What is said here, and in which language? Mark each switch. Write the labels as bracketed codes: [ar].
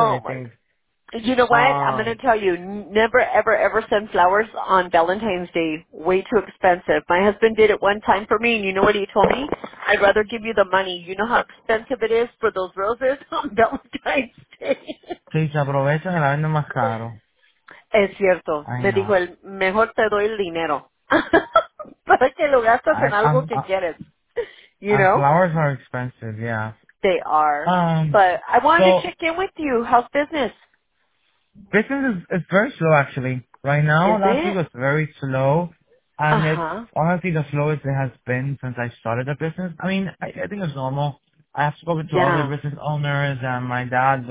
[en] oh, I think. You know what? I'm going to tell you, never, ever, ever send flowers on Valentine's Day. Way too expensive. My husband did it one time for me, and you know what he told me? I'd rather give you the money. You know how expensive it is for those roses on Valentine's Day? [es] Sí, se aprovecha y la venden más caro. Es cierto. Me dijo, mejor te doy el dinero. Para que lo gastas en algo que quieres. [en] You know? Flowers are expensive, yeah. They are. But I wanted to check in with you. How's business? Business is very slow, actually. Right now, last week was very slow. And it's honestly the slowest it has been since I started the business. I mean, I think it's normal. I have spoken to all the business owners and my dad.